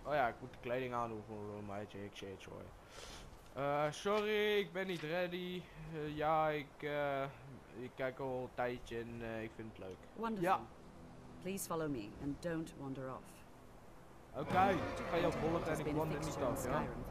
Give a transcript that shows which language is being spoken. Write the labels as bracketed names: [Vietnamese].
[Dutch] Oh ja, ik moet de kleding aandoen voor een meisje. Ik zie het zo. Sorry, ik ben niet ready. Ja, ik kijk al een tijdje en ik vind het leuk. [English] Wonderful. [Dutch] Ja. [English] Please follow me and don't wander off. [Dutch] Oké, okay, ik ga je volgen en ik wander niet af, ja.